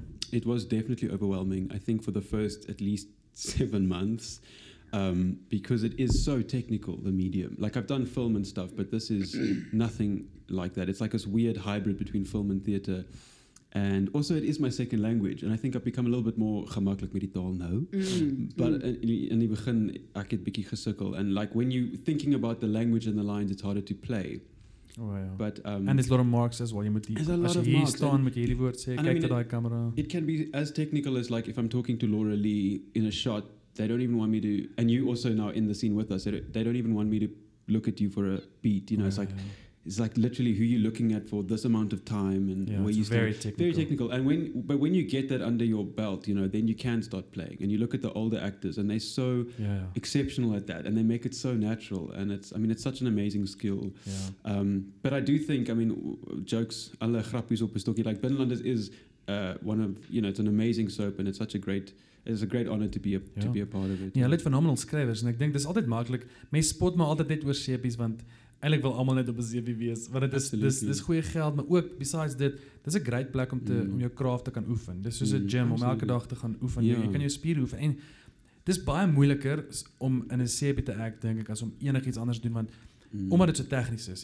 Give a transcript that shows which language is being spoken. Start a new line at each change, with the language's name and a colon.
English: It was definitely overwhelming, I think for the first at least 7 months, because it is so technical, the medium. Like I've done film and stuff, but this is nothing like that. It's like this weird hybrid between film and theater. And also it is my second language, and I think I've become a little bit more
Afrikaans: gemakkelijk met die taal nou. But in die begin, ek het bietjie gesukkel.
English: And like when you thinking about the language and the lines, it's harder to play. Oh, yeah. But and there's a lot of marks as well. You there's a lot of marks. As you stand, you hear the word, say, kijk to die camera. It can be as technical as like if I'm talking to Laura Lee in a shot, they don't even want me to, and you also now in the scene with us, they don't even want me to look at you for a beat. You know, it's like literally who you're looking at for this amount of time and where you stand. Very technical. Very technical. And when you get that under your belt, you know, then you can start playing. And you look at the older actors and they're so exceptional at that. And they make it so natural. And it's such an amazing skill. Yeah. But I do think, jokes,
Afrikaans: alle grappies op een stokje,
English: like Binnenlanders is one of, you know, it's an amazing soap and it's such a great, it's a great honor to be a, to be a part of it.
Afrikaans: Ja, hulle het phenomenal skrywers en ek dink dis altyd maklik. Mens spot maar altyd net oor seepies want eintlik wil almal net op 'n seepie wees, want dit is dis goeie geld, maar ook besides dit, dis 'n great plek om te om jou craft te kan oefen. Dis soos 'n gym om elke dag te gaan oefen. Ja. Jy kan jou spiere oefen en dis baie moeiliker om in 'n seepie te act dink ek as om enigiets anders doen want omdat dit so tegnies is.